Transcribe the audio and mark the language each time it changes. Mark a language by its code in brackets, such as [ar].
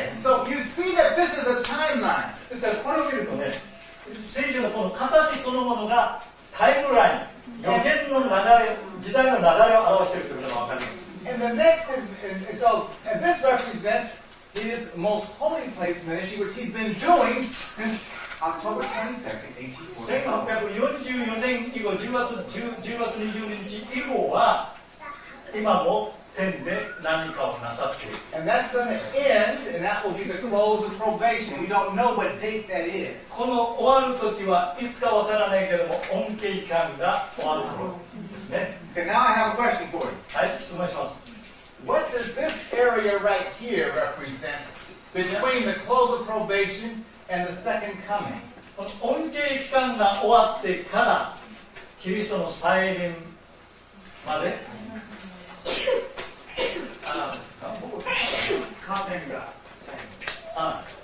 [en] So you see that this is a timeline. [ja] ですからこれを見るとね、聖書のこの形そのものがタイムライン、予言の流れ、時代の流れを表しているということがわかります。 [en] And the next, and this represents his most holy place ministry, which he's been doing since October 22nd, 1844. [ja] 1844年以降、10月22日以降は、今も天で何かをなさっている。 [en] And that's going to end, and that will be the close of probation. We don't know what date that is. [ja] この終わる時はいつかわからないけども、恩恵期間が終わるところですね。 [en] Okay, now I have a question for you. [ja] はい、質問します。 [en] What does this area right here represent between the close of probation and the second coming? [ja] この恩恵期間が終わってから、キリストの再臨まで、あ、僕カーテンが、あ、